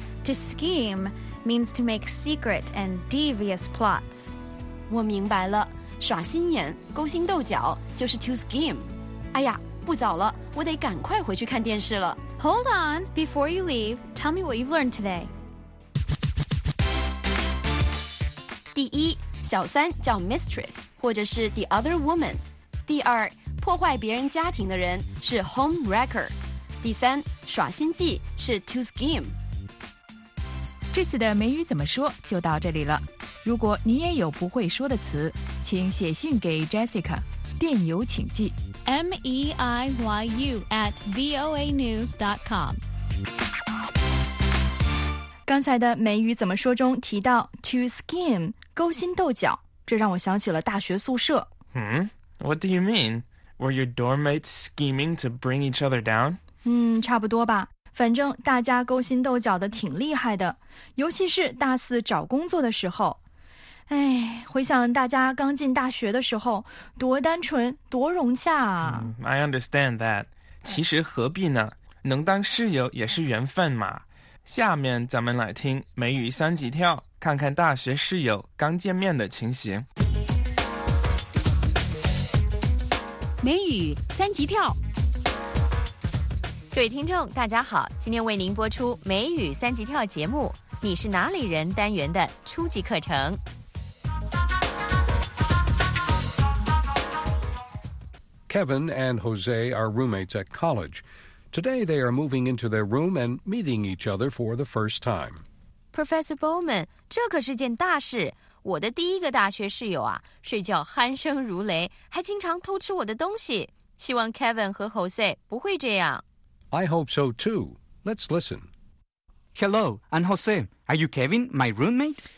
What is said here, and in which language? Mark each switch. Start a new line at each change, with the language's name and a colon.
English: To scheme means to make secret and devious plots.
Chinese: 我明白了，耍心眼、勾心斗角就是 to scheme. 哎呀，不早了，我得赶快回去看电视了。
English: Hold on, before you leave, tell me what you've learned today.
Chinese: 第一，小三叫 mistress， 或者是
English: the other woman。
Chinese: 第二破坏别人家庭的人是 homewrecker， 第三耍心计是 to scheme。这次的美语怎么说就到这里了，如果你也有不会说的词，请写信给 Jessica， 电邮请寄
English: meiyu@voanews.com。
Chinese: 刚才的美语怎么说中提到 to scheme 勾心斗角，这让我想起了大学宿舍。
English: What do you mean? Were your dorm mates scheming to bring each other down?
Chinese: 差不多吧。反正大家勾心斗角的挺厉害的，尤其是大四找工作的时候。哎，回想大家刚进大学的时候，多单纯，多融洽啊。
English: I understand that.
Chinese: 其实何必呢？能当室友也是缘分嘛。下面咱们来听美语三级跳，看看大学室友刚见面的情形。美语三级跳。各位听众大家好，今天为您播出美语三级跳节目，你是哪里人单元的初级课程。
English: Kevin and Jose are roommates at college. Today they are moving into their room and meeting each other for the first time.
Chinese: Professor Bowman, 这可是件大事。我的第一个大学室友啊，睡觉鼾声如雷，还经常偷吃我的东西。希望 Kevin 和 Jose 不会这样。
English: I hope so too. Let's listen. Hello, I'm Jose. Are you Kevin, my roommate?